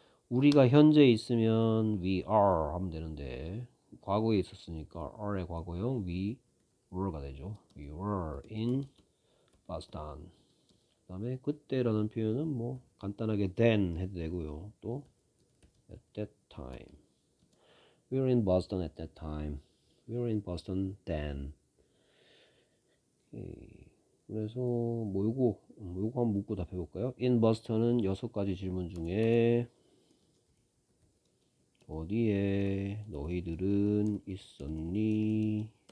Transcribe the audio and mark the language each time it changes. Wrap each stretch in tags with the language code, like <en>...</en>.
<ko>우리가 현재 있으면 we are 하면 되는데 과거에 있었으니까 are의 과거형 we were가 되죠.</ko> <en>We were in Boston.</en> <ko>그다음에 그때라는 표현은 뭐 간단하게 then 해도 되고요.</ko> <en>또 at that time. We were in Boston at that time. We were in Boston then.</en> <ko>그래서 뭐 요거 한번 묻고 답해 볼까요? In Boston은 여섯 가지 질문 중에 어디에 너희들은 있었니?</ko>